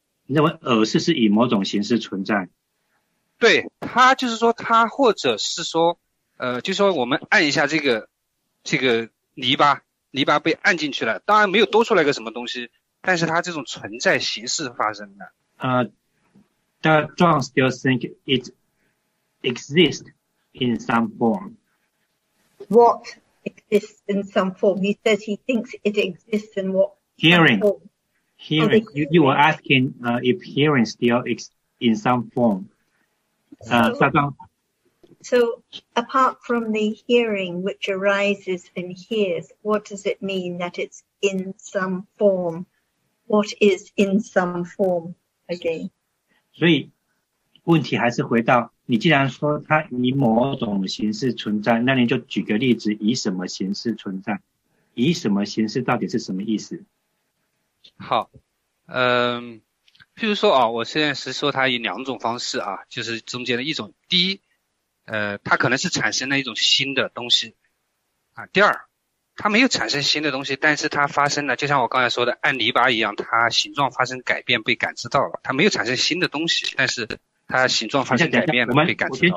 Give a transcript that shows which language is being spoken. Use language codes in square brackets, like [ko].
[zh] 你认为耳识是以某种形式存在？对，它就是说，它或者是说，就说我们按一下这个泥巴，篱笆被按进去了，当然没有多出来个什么东西，但是它这种存在形式发生的。 [en] The John still think it exists in some form. What exists in some form? He says he thinks it exists in what hearing. Hearing. You were asking if hearing still exists in some form. So apart from the hearing which arises and hears, what does it mean that it's in some form? What is in some form again? [zh] 所以问题还是回到你既然说它以某种形式存在，那你就举个例子，以什么形式存在？以什么形式到底是什么意思？好，譬如说啊，我现在是说它以两种方式啊，就是中间的一种，第一，它可能是产生了一种新的东西啊，第二，它没有产生新的东西，但是它发生了，就像我刚才说的，按篱笆一样，它形状发生改变被感知到了，它没有产生新的东西，但是它形状发生改变了被感知到了。